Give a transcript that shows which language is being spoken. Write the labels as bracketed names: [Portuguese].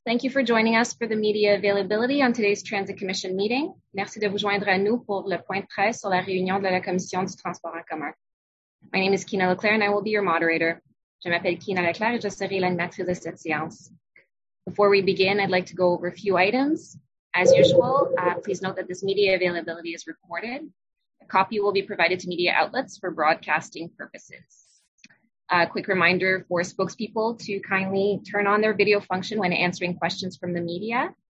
[English] Thank you for joining us for the media availability on today's Transit Commission meeting. [French] Merci de vous joindre à nous pour le point de presse sur la réunion de la Commission du transport en commun. [English] My name is Kina Leclerc and I will be your moderator. [French] Je m'appelle Kina Leclerc et je serai l'animatrice de cette séance. [English] Before we begin, I'd like to go over a few items. As usual, please note that this media availability is recorded. A copy will be provided to media outlets for broadcasting purposes. A quick reminder for spokespeople to kindly turn on their video function when answering questions from the media.